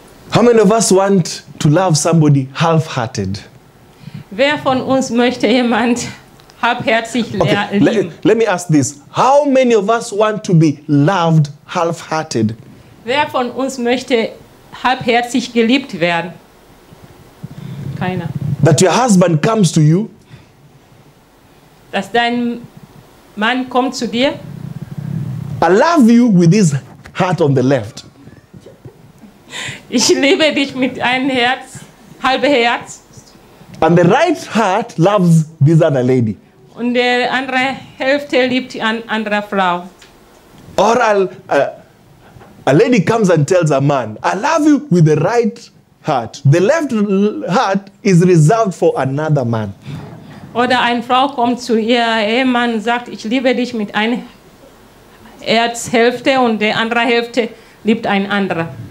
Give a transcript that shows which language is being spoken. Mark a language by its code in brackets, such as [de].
[en] How many of us want to love somebody half-hearted? [de] Wer von uns möchte jemand halbherzig lieben? [en] Let me ask this. How many of us want to be loved half-hearted? [de] Wer von uns möchte halbherzig geliebt werden? Keiner. [en] that your husband comes to you. [de] Dass dein Mann kommt zu dir. [en] I love you with his heart on the left. [de] Ich liebe dich mit einem Herz, halbe Herz. [en] And the right heart loves this other lady. [de] Und der andere Hälfte liebt an andere Frau. [en] Or a lady comes and tells a man, I love you with the right heart. The left heart is reserved for another man. [de] Oder eine Frau kommt zu ihr Ehemann und sagt, ich liebe dich mit einer Herzhälfte und der andere Hälfte liebt ein anderer.